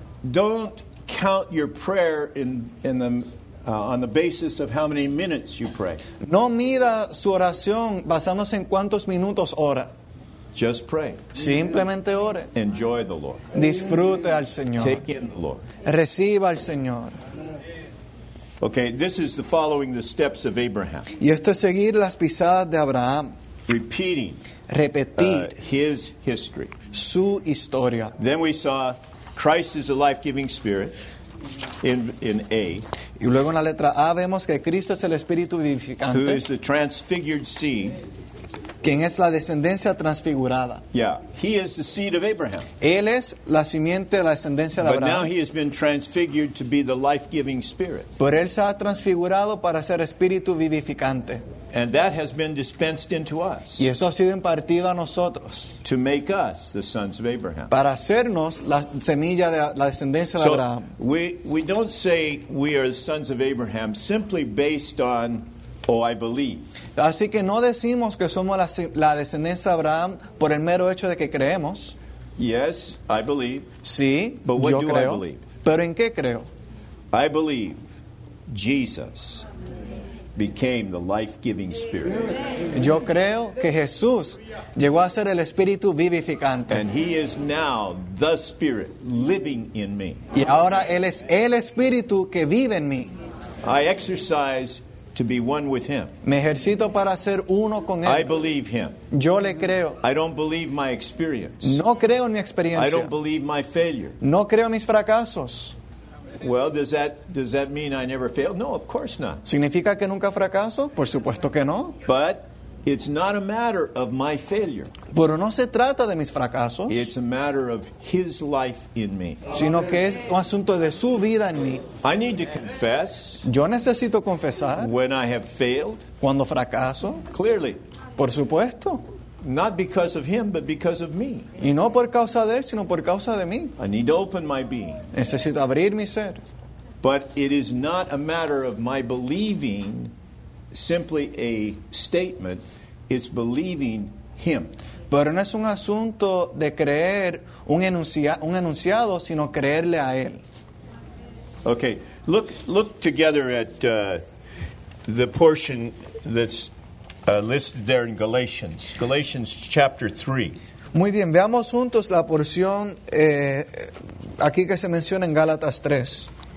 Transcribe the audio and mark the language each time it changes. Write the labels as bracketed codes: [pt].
[en] Don't count your prayer on the basis of how many minutes you pray. [es] No mida su oración basándose en cuántos minutos ora. [en] Just pray. [es] Simplemente ore. [en] Enjoy the Lord. [es] Disfrute al Señor. [en] Take in the Lord. [es] Reciba al Señor. [en] Okay, this is the following the steps of Abraham. [es] Y esto es seguir las pisadas de Abraham. [en] Repeating. [es] Repetir. [en] His history. [es] Su historia. [en] Then we saw Christ is a life-giving spirit in A. [es] Y luego en la letra A vemos que Cristo es el espíritu vivificante. [en] Who is the transfigured seed. [es] ¿Quién es la descendencia transfigurada? [en] Yeah, he is the seed of Abraham. [es] Él es la simiente de la descendencia de [en] But [es] Abraham. [en] But now he has been transfigured to be the life-giving spirit. [es] Pero él se ha transfigurado para ser espíritu vivificante. [en] And that has been dispensed into us. [es] Y eso ha sido impartido a nosotros. [en] To make us the sons of Abraham. [es] Para hacernos la semilla de la descendencia de Abraham. [en] So we don't say we are the sons of Abraham simply based on Oh, I believe. [es] Así que no decimos que somos la descendencia de Abraham por el mero hecho de que creemos. [en] Yes, I believe. [es] Sí, [en] But what [es] yo [en] do [es] creo. [en] I believe? [es] Pero ¿en qué creo? [en] I believe Jesus became the life-giving spirit. [es] Yo creo que Jesús llegó a ser el espíritu vivificante. [en] And he is now the spirit living in me. [es] Y ahora él es el espíritu que vive en mí. [en] I exercise to be one with him. [es] Me ejercito para ser uno con él. [en] I believe him. [es] Yo le creo. [en] I don't believe my experience. [es] No creo en mi experiencia. [en] I don't believe my failure. [es] No creo en mis fracasos. [en] Well, does that mean I never fail? No, of course not. [es] ¿Significa que nunca fracaso? Por supuesto que no. [en] But it's not a matter of my failure. [es] Pero no se trata de mis fracasos. [en] It's a matter of his life in me. [es] Sino que es un asunto de su vida en mí. [en] I need to confess. [es] Yo necesito confesar. [en] When I have failed. [es] Cuando fracaso. [en] Clearly. [es] Por supuesto. [en] Not because of him, but because of me. [es] Y no por causa de él, sino por causa de mí. [en] I need to open my being. [es] Necesito abrir mi ser. [en] But it is not a matter of my believing simply a statement, it's believing him. [es] Pero no es un asunto de creer un enunciado, sino creerle a él. [en] Okay, look together at the portion that's listed there in Galatians. Galatians chapter 3. [es] Muy bien, veamos juntos la porción aquí que se menciona en Gálatas 3.